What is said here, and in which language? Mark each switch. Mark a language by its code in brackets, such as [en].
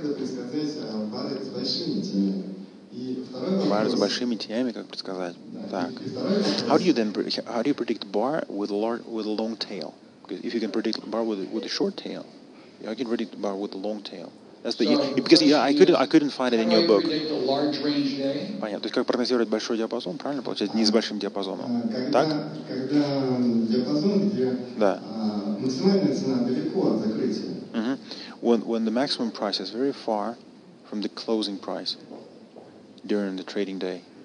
[ru] маленькими тенями, то как это предсказать бары с большими тенями? Bar с большими тенями, как предсказать? Да. Так. [en] How do you predict bar with a long tail? Because if you can predict bar with a short tail, you can predict bar with a long tail. That's the, because I couldn't find it in your book. [ru] Понятно. То есть как прогнозировать большой диапазон, правильно получается, не с большим диапазоном. Так? Когда диапазон, где максимальная цена далеко от закрытия. [en] When the maximum price is very far from the closing price during the trading day.